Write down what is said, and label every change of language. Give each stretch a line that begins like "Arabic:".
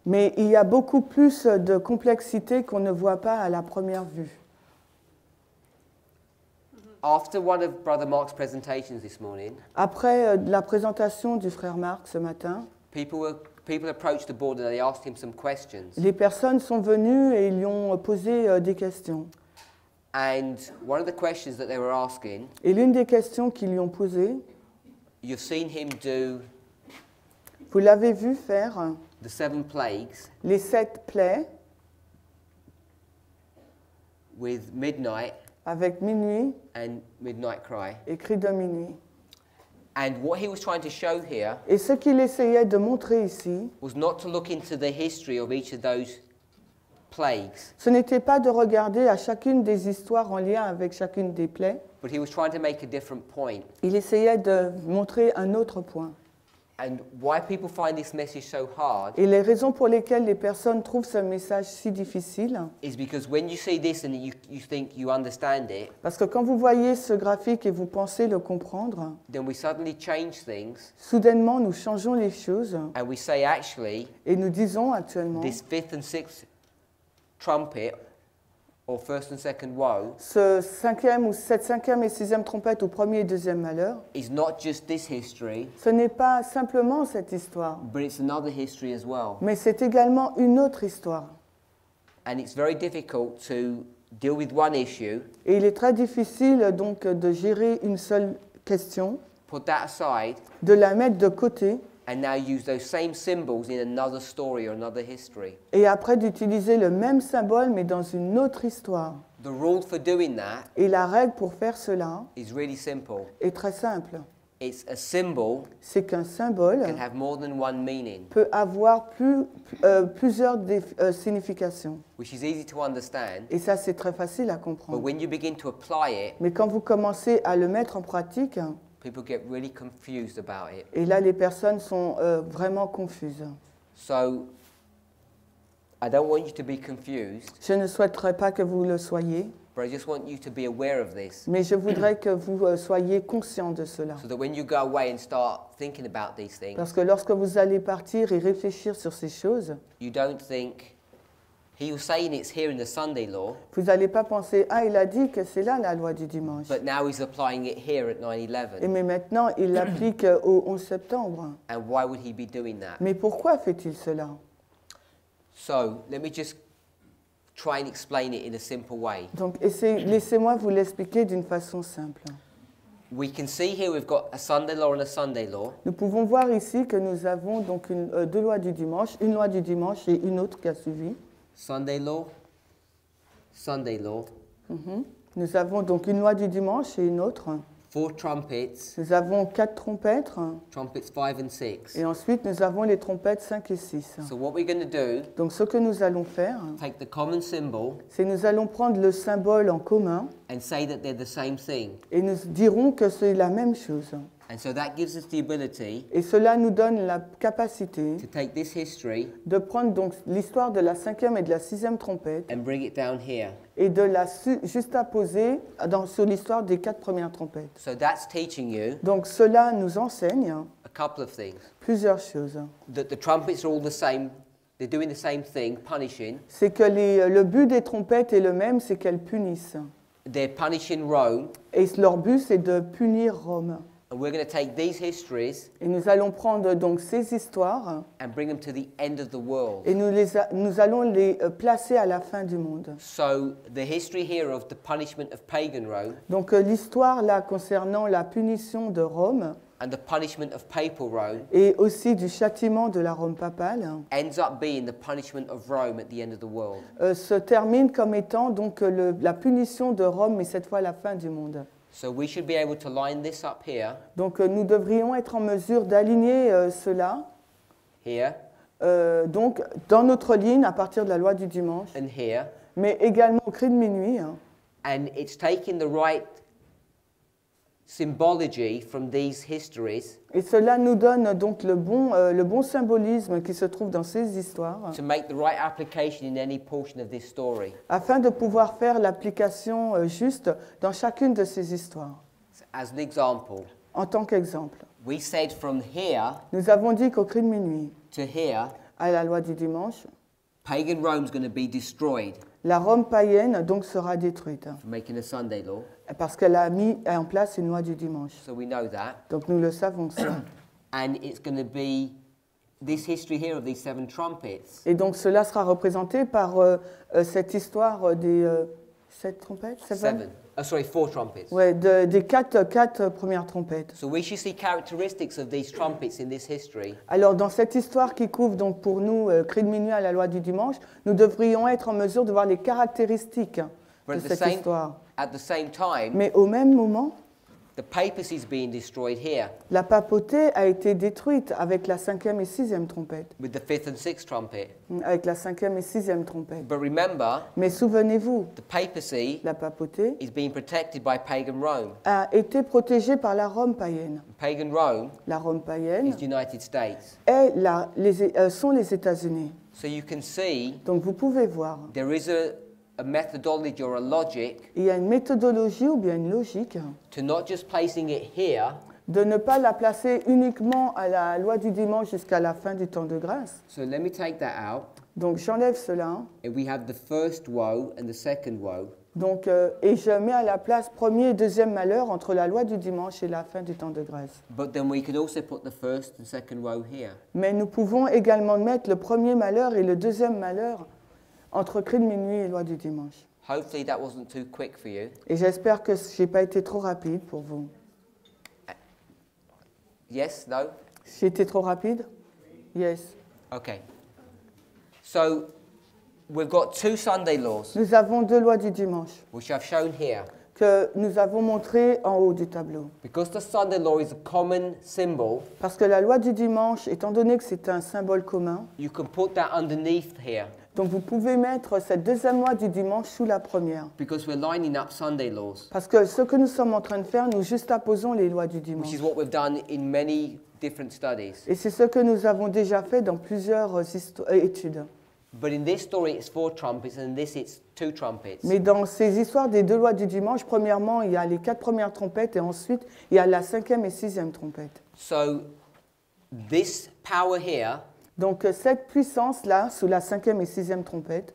French: Mais il y a beaucoup plus de complexité qu'on ne voit pas à la première vue.
English: After one of Brother Mark's presentations this morning,
French: après la présentation du frère Mark ce matin,
English: people approached the board and they asked him some questions.
French: Les personnes sont venues et ils lui ont posé des questions.
English: And one of the questions that they were asking,
French: et l'une des questions qu'ils lui ont posées,
English: you've seen him do,
French: vous l'avez vu faire,
English: the seven plagues,
French: les sept plaies,
English: with midnight.
French: Avec minuit
English: and midnight cry.
French: Et cri de minuit.
English: And what he was trying to show here,
French: et ce qu'il essayait de montrer ici,
English: was not to look into the history of each of those plagues.
French: Ce n'était pas de regarder à chacune des histoires en lien avec chacune des plaies.
English: But he was trying to make a different point.
French: Il essayait de montrer un autre point.
English: And why people find this message so hard,
French: et les raisons pour lesquelles les personnes trouvent ce message si difficile,
English: is because when you see this and you think you understand it,
French: parce que quand vous voyez ce graphique et vous pensez le comprendre,
English: then we suddenly change things,
French: soudainement nous changeons les choses,
English: and we say actually,
French: et nous disons actuellement,
English: this fifth and sixth trumpet, or first and second woe,
French: ce cinquième ou cette cinquième et sixième trompette ou premier et deuxième malheur,
English: is not just this history,
French: ce n'est pas simplement cette histoire,
English: but it's another history as well.
French: Mais c'est également une autre histoire.
English: And it's very difficult to deal with one issue,
French: et il est très difficile donc de gérer une seule question,
English: put that aside,
French: de la mettre de côté,
English: and now use those same symbols in another story or another history.
French: Et après d'utiliser le même symbole mais dans une autre histoire.
English: The rule for doing that,
French: et la règle pour faire cela,
English: is really simple.
French: Est très simple.
English: It's a symbol,
French: c'est qu'un symbole
English: can have more than one meaning,
French: peut avoir plusieurs significations,
English: which is easy to understand,
French: et ça c'est très facile à comprendre.
English: But when you begin to apply it,
French: mais quand vous commencez à le mettre en pratique,
English: people get really confused about it.
French: Et là, les personnes sont vraiment confuses.
English: So, I don't want you to be confused.
French: Je ne souhaiterais pas que vous le soyez.
English: But I just want you to be aware of this.
French: Mais je voudrais que vous soyez conscient de cela.
English: So that when you go away and start thinking about these things,
French: parce que lorsque vous allez partir et réfléchir sur ces choses,
English: you don't think, he was saying it's here in the Sunday law.
French: Vous n'allez pas penser, ah, il a dit que c'est là la loi du dimanche.
English: But now he's applying it here at 9/11.
French: Et mais maintenant, il l'applique au 11 septembre.
English: And why would he be doing that?
French: Mais pourquoi fait-il cela?
English: So, let me just try and explain it in a simple way.
French: Donc, laissez-moi vous l'expliquer d'une façon simple.
English: We can see here we've got a Sunday law and a Sunday law.
French: Nous pouvons voir ici que nous avons donc deux lois du dimanche, une loi du dimanche et une autre qui a suivi.
English: Sunday law, Sunday law.
French: Nous avons donc une loi du dimanche et une autre.
English: four trumpets.
French: Nous avons quatre trompettes.
English: Trumpets 5 and 6.
French: Et ensuite nous avons les trompettes 5 et 6.
English: So what we're going to do?
French: Donc ce que nous allons faire,
English: take the common symbol.
French: C'est nous allons prendre le symbole en commun.
English: And say that they're the same thing.
French: Et nous dirons que c'est la même chose.
English: And so that gives us the ability.
French: Et cela nous donne la capacité
English: to take this history.
French: De prendre donc l'histoire de la cinquième et de la sixième trompette.
English: And bring it down here.
French: Et de la juxtaposer sur l'histoire des quatre premières trompettes.
English: So that's teaching you.
French: Donc cela nous enseigne
English: a couple of things.
French: Plusieurs choses.
English: That the trumpets are all the same. They're doing the same thing, punishing.
French: C'est que le but des trompettes est le même, c'est qu'elles punissent.
English: They're punishing Rome.
French: Et leur but c'est de punir Rome.
English: And we're going to take these histories.
French: Et nous allons prendre donc ces histoires.
English: And bring them to the end of the world.
French: Et nous allons les placer à la fin du monde.
English: So the history here of the punishment of pagan Rome.
French: Donc l'histoire là concernant la punition de Rome.
English: And the punishment of papal Rome.
French: Et aussi du châtiment de la Rome papale.
English: Ends up being the punishment of Rome at the end of the world.
French: Se termine comme étant donc la punition de Rome, mais cette fois la fin du monde.
English: So we should be able to line this up here.
French: Donc nous devrions être en mesure d'aligner cela.
English: Here.
French: Donc dans notre ligne à partir de la loi du dimanche.
English: And here.
French: Mais également au cri de minuit.
English: And it's taking the right symbology from these histories.
French: Et cela nous donne donc le bon symbolisme qui se trouve dans ces histoires.
English: To make the right application in any portion of this story.
French: Afin de pouvoir faire l'application juste dans chacune de ces histoires.
English: As an example.
French: En tant qu'exemple.
English: We said from here.
French: Nous avons dit qu'au cri de minuit.
English: To here.
French: À la loi du dimanche.
English: Pagan Rome's going to be destroyed.
French: La Rome païenne donc sera détruite.
English: For making a Sunday law.
French: Parce qu'elle a mis en place une loi du dimanche.
English: So we know that.
French: Donc nous le savons ça.
English: And it's going to be this history here of these seven trumpets.
French: Et donc cela sera représenté par cette histoire des sept trompettes.
English: Four trumpets.
French: Ouais, des quatre premières trompettes.
English: So we should see characteristics of these trumpets in this history.
French: Alors dans cette histoire qui couvre donc pour nous cri de minuit à la loi du dimanche, nous devrions être en mesure de voir les caractéristiques
English: But
French: de cette histoire.
English: At the same time,
French: mais au même moment,
English: the papacy is being destroyed here.
French: La papauté a été détruite avec la cinquième et sixième trompette.
English: With the fifth and sixth trumpet.
French: Avec la cinquième et sixième trompette.
English: But remember,
French: mais souvenez-vous,
English: the papacy,
French: la papauté,
English: is being protected by pagan Rome.
French: A été protégée par la Rome païenne.
English: Pagan Rome,
French: la Rome païenne,
English: is the United States.
French: Est sont les États-Unis.
English: So you can see,
French: donc vous pouvez voir,
English: there is a methodology or a logic.
French: Il y a une méthodologie ou bien une logique.
English: To not just placing it here.
French: De ne pas la placer uniquement à la loi du dimanche jusqu'à la fin du temps de grâce.
English: So let me take that out.
French: Donc j'enlève cela.
English: And we have the first woe and the second woe.
French: Donc et je mets à la place premier et deuxième malheur entre la loi du dimanche et la fin du temps de grâce.
English: But then we could also put the first and second woe here.
French: Mais nous pouvons également mettre le premier malheur et le deuxième malheur. Entre cri de minuit et loi du dimanche.
English: Hopefully that wasn't too quick for you.
French: Et j'espère que je n'ai pas été trop rapide pour vous.
English: Yes, no?
French: J'ai été trop rapide?
English: Yes. Okay. So, we've got two Sunday laws.
French: Nous avons deux lois du dimanche.
English: Which I've shown here.
French: Que nous avons montré en haut du tableau.
English: Because the Sunday law is a common symbol.
French: Parce que la loi du dimanche, étant donné que c'est un symbole commun.
English: You can put that underneath here.
French: Donc vous pouvez mettre cette deuxième loi du dimanche sous la première.
English: Because we're lining up Sunday laws.
French: Parce que ce que nous sommes en train de faire, nous juxtaposons les lois du dimanche.
English: Which is what we've done in many different studies.
French: Et c'est ce que nous avons déjà fait dans plusieurs études.
English: But in this story, it's four trumpets, and this it's two trumpets.
French: Mais dans ces histoires des deux lois du dimanche, premièrement, il y a les quatre premières trompettes, et ensuite, il y a la cinquième et sixième trompette.
English: So, this power here.
French: Donc cette puissance-là, sous la cinquième et sixième trompette,